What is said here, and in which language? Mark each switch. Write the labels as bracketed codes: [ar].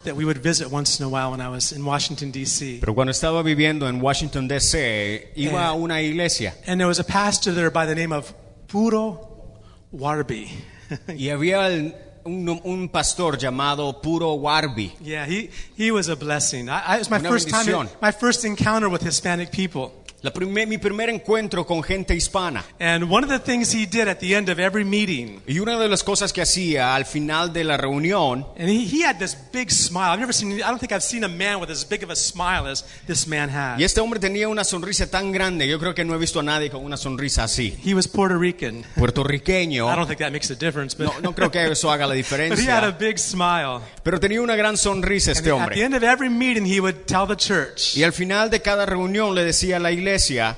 [en] that we would visit once in a while when I was in Washington D.C. [es] Pero cuando estaba viviendo en Washington D.C. iba a una iglesia. [en] And there was a pastor there by the name of Puro Warby. [es] Y había un pastor llamado Puro Warby. [en] Yeah, he was a blessing. It was my first time, my first encounter with Hispanic people. [es] Mi primer encuentro con gente hispana. [en] And one of the things he did at the end of every meeting. [es] Y una de las cosas que hacía al final de la reunión. [en] And he had this big smile. I don't think I've seen a man with as big of a smile as this man had. [es] Y este hombre tenía una sonrisa tan grande. Yo creo que no he visto a nadie con una sonrisa así. [en] He was Puerto Rican. [es] Puertorriqueño. [en] I don't think that makes a difference, but. [es] No creo que eso haga la diferencia. [en] But he had a big smile. [es] Pero tenía una gran sonrisa este hombre. [en] At the end of every meeting, he would tell the church. [es] Y al final de cada reunión le decía a la iglesia.